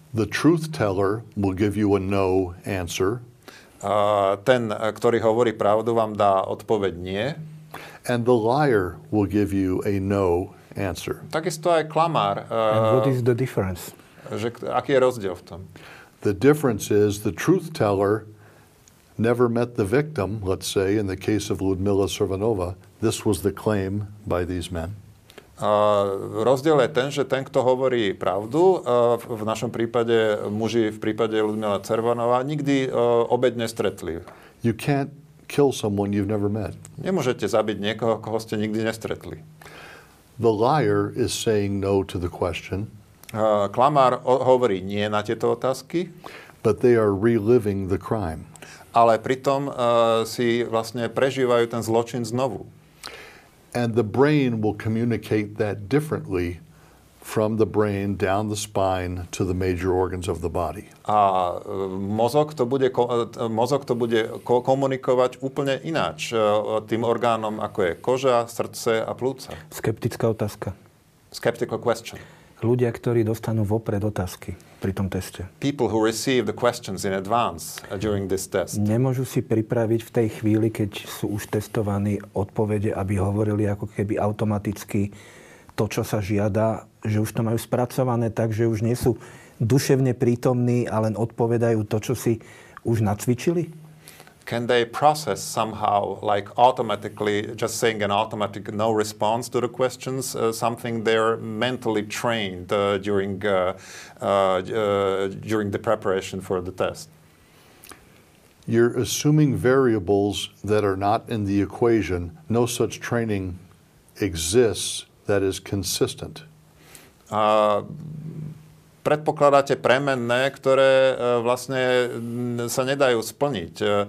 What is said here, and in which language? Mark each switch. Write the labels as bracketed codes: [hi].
[en] The truth teller will give you a no answer. [sk] Ten, ktorý hovorí pravdu, vám dá odpoveď nie. [en] And the liar will give you a no answer. [sk] Takisto aj klamár. [en] And what is the difference? [sk] Aký je rozdiel v tom? [en] The difference is the truth teller never met the victim, let's say, in the case of Ludmila Servanova. This was the claim by these men. [sk] Rozdiel je ten, že ten, kto hovorí pravdu, v našom prípade muži, v prípade Ludmila Servanova, nikdy obeť nestretli. [en] You can't kill someone you've never met. [sk] Nemôžete zabiť niekoho, koho ste nikdy nestretli. [en] The liar is saying no to the question. [sk] Klamár hovorí nie na tieto otázky. [en] But they are reliving the crime. [sk] Ale pritom si vlastne prežívajú ten zločin znovu. [en] And the brain will communicate that differently from the brain down the spine to the major organs of the body. [sk] A mozog to bude komunikovať úplne ináč tým orgánom, ako je koža, srdce a plúca. Skeptická otázka. [en] Skeptical question. [sk] Ľudia, ktorí dostanú vopred otázky pri tom teste. [en] People who receive the questions in advance during this test. [sk] Nemôžu si pripraviť v tej chvíli, keď sú už testovaní odpovede, aby hovorili ako keby automaticky to, čo sa žiada, že už to majú spracované tak, že už nie sú duševne prítomní a len odpovedajú to, čo si už nacvičili? [en] Can they process somehow, like automatically, just saying an automatic no response to the questions, something they're mentally trained during the preparation for the test? You're assuming variables that are not in the equation. No such training exists that is consistent. [sk] Predpokladáte premenné, ktoré vlastne sa nedajú splniť.